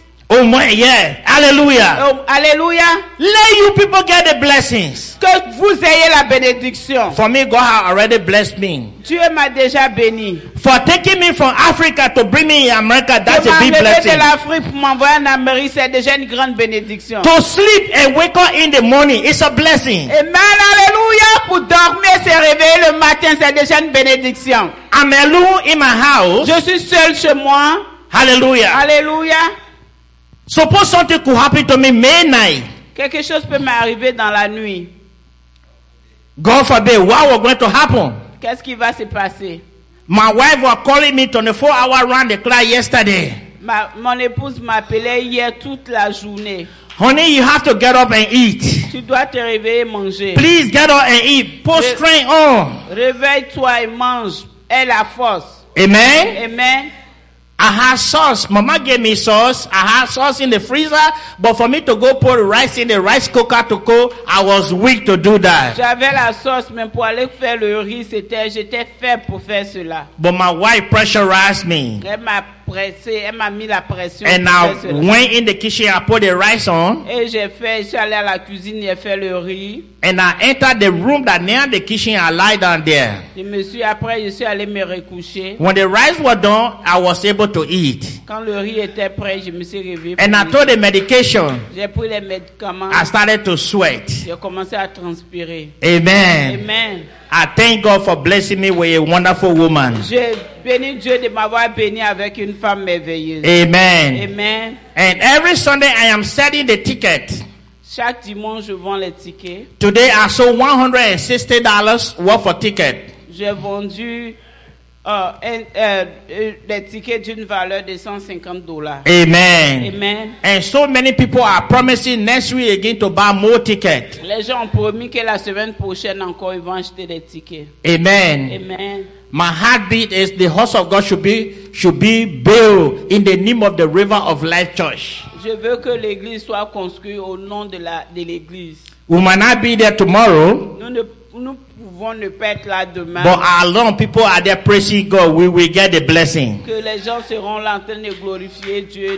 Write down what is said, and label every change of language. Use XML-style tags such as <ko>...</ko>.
<fr>Au moins, yeah. Hallelujah. Hallelujah.</fr> <en>Let you people get the blessings.</en> <fr>Que vous ayez la bénédiction.</fr> <en>For me, God has already blessed me.</en> <fr>Dieu m'a déjà béni.</fr> <en>For taking me from Africa to bring me in America, that's</en> <fr>Dieu</fr> <en>a big blessing.</en> <fr>De l'Afrique pour m'envoyer en Amérique, c'est déjà une grande bénédiction.</fr> <en>To sleep and wake up in the morning, it's a blessing.</en> <fr>Amen, alléluia. Pour dormir, se réveiller le matin, c'est déjà une bénédiction.</fr> <en>I'm alone in my house.</en> <fr>Je suis seul chez moi. Hallelujah. Hallelujah.</fr> <en>Suppose something could happen to me midnight.</en> <fr>Quelque chose peut m'arriver dans la nuit.</fr> <en>God forbid, what was going to happen?</en> <fr>Qu'est-ce qui va se passer?</fr> <en>My wife was calling me 24 hours round the clock yesterday.</en> <fr>Mon épouse m'appelait hier toute la journée.</fr> <en>Honey, you have to get up and eat.</en> <fr>Tu dois te réveiller et manger.</fr> <en>Please get up and eat. Put strength on.</en> <fr>Réveille-toi et mange. Aie la force. Amen. Amen.</fr> <en>I had sauce. Mama gave me sauce. I had sauce in the freezer. But for me to go put rice in the rice cooker to cook, I was weak to do that.</en> <fr>J'avais la sauce, mais pour aller faire le riz, j'étais faible pour faire cela.</fr> <en>But my wife pressurized me.</en> <fr>Elle m'a pressé, elle m'a mis la pression.</fr> <en>And I went in the kitchen, I put the rice on.</en> <fr>Et j'ai allé à la cuisine, j'ai fait le riz.</fr> <en>And I entered the room that near the kitchen, I lie down there.</en> <fr>Monsieur, après, je suis allé me recoucher.</fr> <en>When the rice was done, I was able to eat.</en> <fr>Quand le riz était prêt, je me suis réveillé.</fr> <en>And I took the medication.</en> <fr>J'ai pris les médicaments.</fr> <en>I started to sweat.</en> <fr>J'ai commencé à transpirer. Amen. Amen.</fr> <en>I thank God for blessing me with a wonderful woman.</en> <fr>Je bénis Dieu de m'avoir béni avec une femme merveilleuse. Amen. Amen.</fr> <en>And every Sunday I am selling the ticket.</en> <fr>Chaque dimanche, je vends les tickets.</fr> <en>Today, I sold $160 worth of ticket.</en> <fr>J'ai vendu les tickets d'une valeur de $150. Amen. Amen.</fr> <en>And so many people are promising next week again to buy more tickets.</en> <fr>Les gens ont promis que la semaine prochaine encore, ils vont acheter des tickets. Amen. Amen.</fr> <en>My heartbeat is the house of God should be built in the name of the River of Life Church.</en> <fr>Je veux que l'église soit construite au nom de l'église.</fr> <en>We might not be there tomorrow.</en> <fr>Nous pouvons ne pas être là demain.</fr> <en>But alone, people are there praising God. We will get the blessing.</en> <fr>Que les gens seront là en train de glorifier Dieu.</fr>